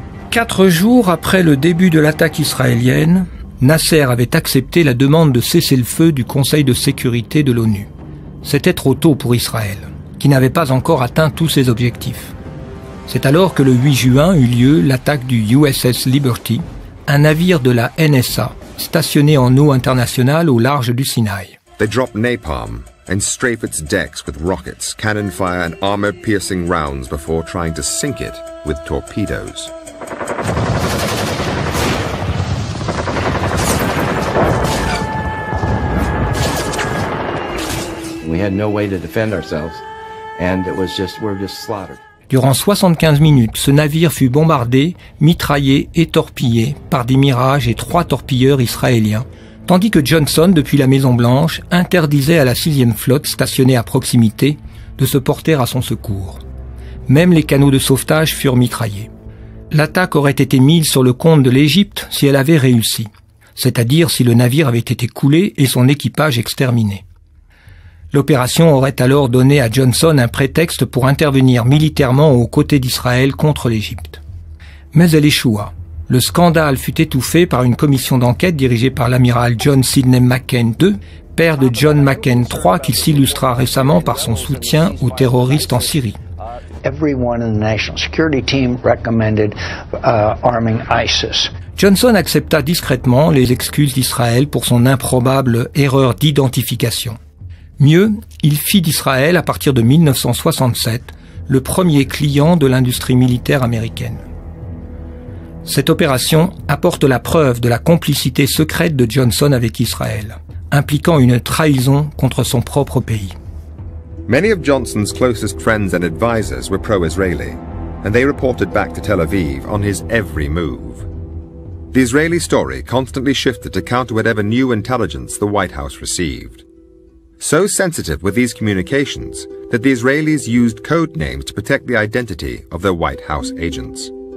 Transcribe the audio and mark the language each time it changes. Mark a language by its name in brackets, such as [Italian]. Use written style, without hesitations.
[French] Quatre jours après le début de l'attaque israélienne, Nasser avait accepté la demande de cesser le feu du Conseil de sécurité de l'ONU. C'était trop tôt pour Israël, qui n'avait pas encore atteint tous ses objectifs. C'est alors que le 8 juin eut lieu l'attaque du USS Liberty, un navire de la NSA, stationné en eau internationale au large du Sinaï. [English] They drop napalm and strafe its decks with rockets, cannon fire and armor-piercing rounds before trying to sink it with torpedoes. We had no way to defend ourselves and it was just we're just slaughtered. [French] Durant 75 minutes, ce navire fut bombardé, mitraillé et torpillé par des Mirages et trois torpilleurs israéliens, tandis que Johnson, depuis la Maison-Blanche, interdisait à la 6e flotte stationnée à proximité de se porter à son secours. Même les canaux de sauvetage furent mitraillés. L'attaque aurait été mise sur le compte de l'Égypte si elle avait réussi, c'est-à-dire si le navire avait été coulé et son équipage exterminé. L'opération aurait alors donné à Johnson un prétexte pour intervenir militairement aux côtés d'Israël contre l'Égypte. Mais elle échoua. Le scandale fut étouffé par une commission d'enquête dirigée par l'amiral John Sidney McCain II, père de John McCain III, qui s'illustra récemment par son soutien aux terroristes en Syrie. [English] Everyone in the national security team recommended arming ISIS. [French] Johnson accepta discrètement les excuses d'Israël pour son improbable erreur d'identification. Mieux, il fit d'Israël, à partir de 1967, le premier client de l'industrie militaire américaine. Cette opération apporte la preuve de la complicité secrète de Johnson avec Israël, impliquant une trahison contre son propre pays. [English] Many of Johnson's closest friends and advisors were pro-Israeli, and they reported back to Tel Aviv on his every move. The Israeli story constantly shifted to counter whatever new intelligence the White House received. So sensitive were these communications that the Israelis used code names to protect the identity of their White House agents.